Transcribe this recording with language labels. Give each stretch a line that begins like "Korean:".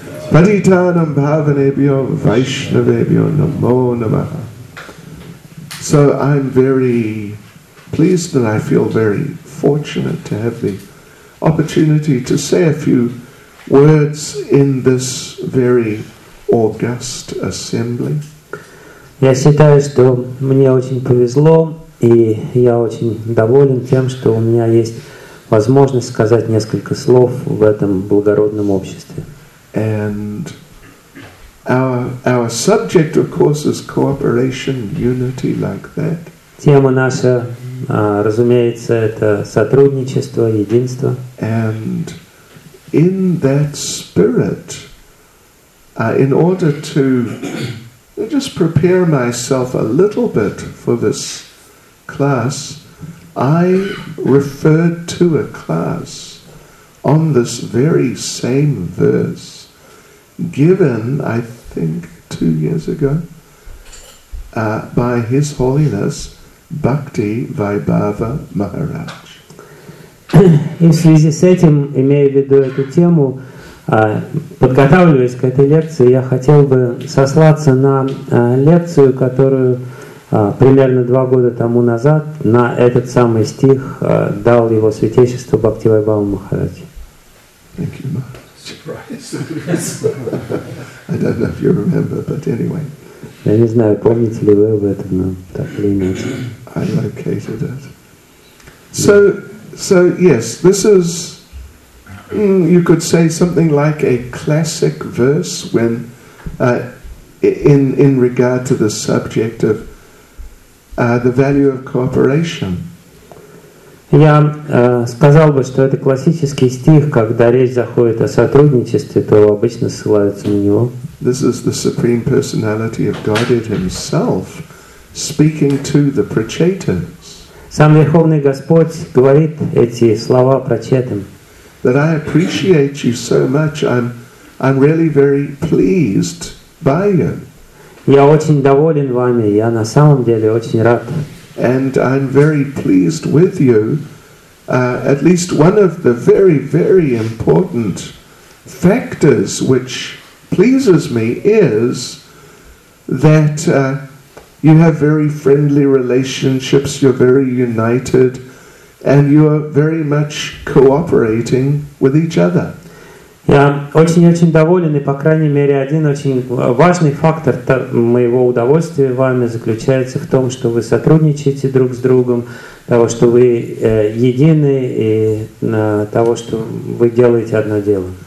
Sanskrit: Paditanam Bhavanebhyo Vaishnavebhyo Namo Namaha.
English: So I'm very pleased and I feel very fortunate to have the opportunity to say a few words in this very august assembly.
Russian: Я считаю, что мне очень повезло, и я очень доволен тем, что у меня есть возможность сказать несколько слов в этом благородном обществе.
English: And our subject, of course, is cooperation, unity, like that.
Russian: Тема наша, разумеется, это сотрудничество, единство.
English: And in that spirit, in order to just prepare myself a little bit for this class, I referred to a class on this very same verse given, I think, 2 years ago by His Holiness Bhakti Vaibhava Maharaj.
Russian: И в связи с этим, имея в виду эту тему, подготавливаясь к этой лекции, я хотел бы сослаться на лекцию, которую примерно 2 года тому назад на этот самый стих дал Его Святейшество Бхакти Вайбхава Махарадж.
English: Thank you, Maharaj. I don't know if you remember, but anyway.
Russian: Я не знаю, помните ли вы об этом, но так или иначе.
English: I located it. So yes, this is, you could say something like a classic verse when in regard to the subject of the value of cooperation.
Russian: Я сказал бы, что это классический стих, когда речь заходит о сотрудничестве, то обычно ссылаются на него.
English: This is the Supreme Personality of Godhead Himself speaking to the Prachetas.
Russian: Сам Верховный Господь говорит эти слова Прачетам.
English: That I appreciate you so much, I'm really very pleased by you.
Russian: Я очень доволен вами, я на самом деле очень рад.
English: And I'm very pleased with you, at least one of the very, very important factors which pleases me is that you have very friendly relationships, you're very united, and you are very much cooperating with each other.
Russian: Я очень-очень доволен, и, по крайней мере, один очень важный фактор моего удовольствия вами заключается в том, что вы сотрудничаете друг с другом, того, что вы едины, и того, что вы делаете одно дело.